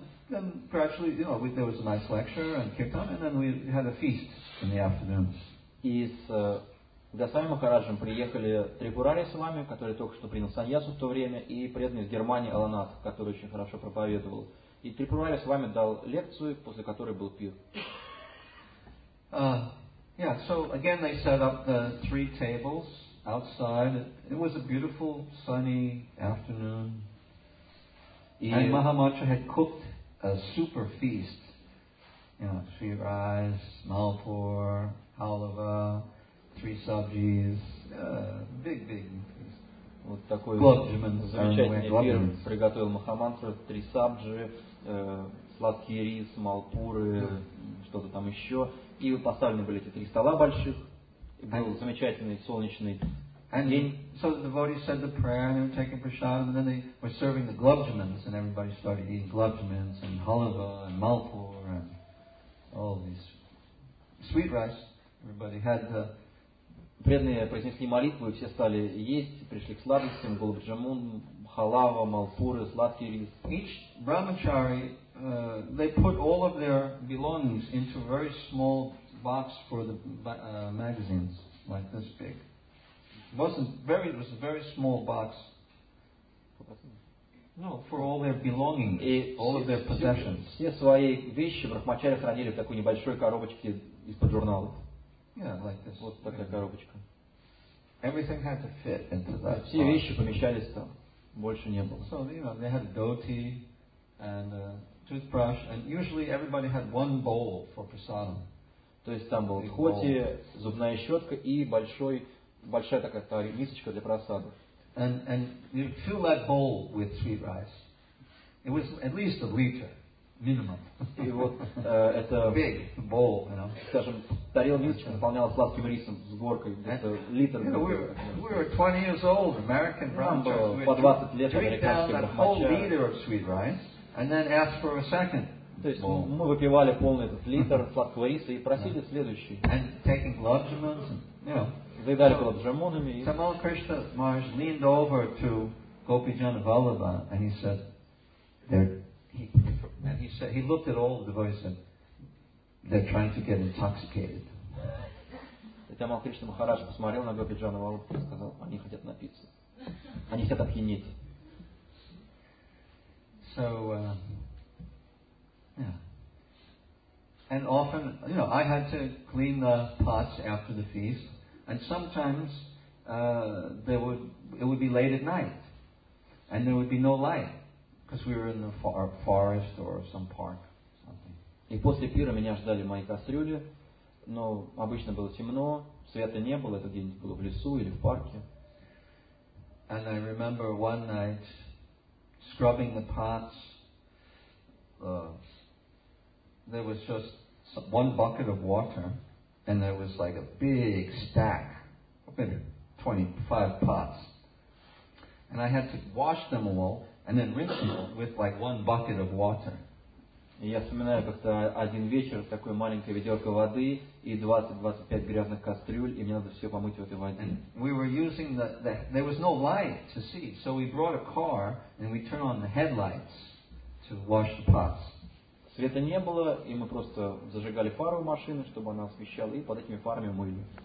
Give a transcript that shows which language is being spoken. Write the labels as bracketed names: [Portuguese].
[English] Then gradually, there was a nice lecture and kirtan, and then we had a feast in the afternoons. [Russian] И с Госвами Махараджем приехали Трипурари с вами, который только что принял саньясу в то время, и преданный из Германии Аланат, который очень хорошо проповедовал. И Трипурари с вами дал лекцию, после которой был пир. [English] So again they set up the three tables outside. It was a beautiful sunny afternoon. And Mahamacha had cooked a super feast. Three rice, malpur, halva, three sabjis, big feast. [Russian] Вот такой замечательный пир приготовил Махамантра, три сабджи, сладкий рис, малпуры, что-то там еще. И поставлены были эти три стола больших. Был замечательный солнечный [English] And so the devotees said the prayer and they were taking prasadam and then they were serving the glubjmans and everybody started eating glubjmans and halva and malpur and all these sweet rice. Everybody had the... [Russian] Преданные произнесли молитву и все стали есть, пришли к сладостям, глубджамун, халава, малпуры, сладкий рис. [English] Each brahmachari, they put all of their belongings into a very small box for the magazines, like this big. It was a very small box. No, for all their belongings, all of their possessions. [Russian] Все свои вещи брахмачари хранили в такой небольшой коробочке из-под журналов. [English] Yeah, like this. [Russian] Вот такая коробочка. [English] Everything had to fit into that. [Russian] Все вещи помещались там. Больше не было. [English] So they had a dhoti and a toothbrush, and usually everybody had one bowl for prasadam. [Russian] То есть там был дхоти, зубная щетка и большой большая такая мисочка для просады. [English] And you fill that bowl with sweet rice. It was at least a liter, minimum. [Russian] И вот это [English] big bowl, [Russian] скажем, тарелка мисочка наполнялась сладким рисом с горкой, это литр. [English] We were 20 years old, American brahmachari. [Russian] По 20 лет американский брахмачари. [English] Drink down that whole liter of sweet rice, and then ask for a second. [Russian] То есть мы выпивали полный этот литр сладкого риса и просили следующий. [English] And taking glubjmans, Tamal Krishna Maharaj leaned over to Gopijana Vallabha and he said, he looked at all the devotees and said, they're trying to get intoxicated. [Russian] Tamal Krishna Maharaj посмотрел на Gopijana Vallabha и сказал, они хотят напиться. Они хотят опьянеть. [English] So, And often, I had to clean the pots after the feast. And sometimes it would be late at night, and there would be no light, because we were in the forest or some park. [Russian] И после пира меня ждали мои кастрюли, но обычно было темно, света не было. Это где-нибудь было в лесу или в парке. [English] And I remember one night scrubbing the pots. There was just one bucket of water. And there was like a big stack, maybe 25 pots. And I had to wash them all And then rinse them with like one bucket of water. [Russian] И я вспоминаю как-то один вечер, такое маленькое ведерко воды и 20-25 грязных кастрюль, и мне надо все помыть в этой воде. [English] We were using there was no light to see, so we brought a car and we turned on the headlights to wash the pots. [Russian] Света не было, и мы просто зажигали фару машины, чтобы она освещала, и под этими фарами мыли.